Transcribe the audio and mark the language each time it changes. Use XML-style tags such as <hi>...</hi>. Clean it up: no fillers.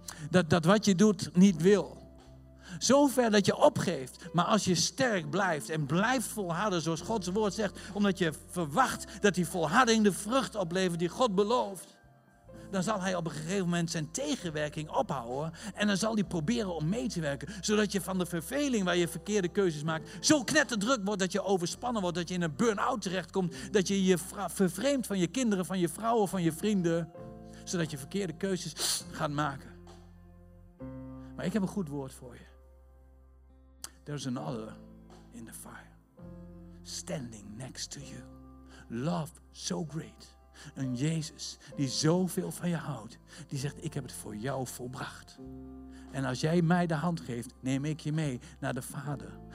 <nl>Dat wat je doet niet wil. Zover dat je opgeeft, maar als je sterk blijft en blijft volharden zoals Gods woord zegt, omdat je verwacht dat die volharding de vrucht oplevert die God belooft, dan zal hij op een gegeven moment zijn tegenwerking ophouden en dan zal hij proberen om mee te werken, zodat je van de verveling waar je verkeerde keuzes maakt, zo knetterdruk wordt dat je overspannen wordt, dat je in een burn-out terechtkomt, dat je je vervreemdt van je kinderen, van je vrouwen, van je vrienden, zodat je verkeerde keuzes gaat maken. Maar ik heb een goed woord voor je.</nl> <en>There's another in the fire, standing next to you. Love so great.</en> <nl>Een Jezus die zoveel van je houdt, die zegt, ik heb het voor jou volbracht. En als jij mij de hand geeft, neem ik je mee naar de Vader.</nl>